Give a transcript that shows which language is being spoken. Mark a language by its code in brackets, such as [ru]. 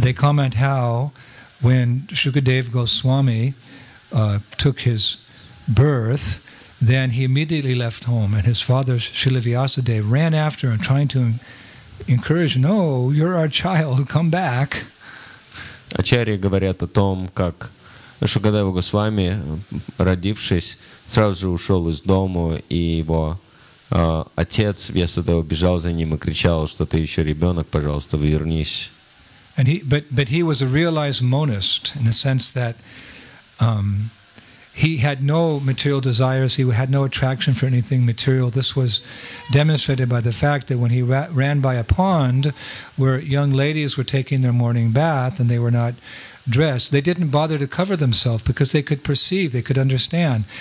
[en] They comment how when Shukadeva Goswami took his birth, then he immediately left home, and his father, Srila Vyasadeva, ran after him, trying to encourage, no, you're our child, come back. [ru] Ачарьи говорят о том, как Шукадева Госвами, родившись, сразу же ушел из дома, и его отец Вьясадева бежал за ним и кричал, что ты еще ребенок, пожалуйста, вернись. [en] And he was a realized monist in the sense that He had no material desires. He had no attraction for anything material. This was demonstrated by the fact that when he ran by a pond where young ladies were taking their morning bath and they were not dressed, they didn't bother to cover themselves because they could perceive, they could understand.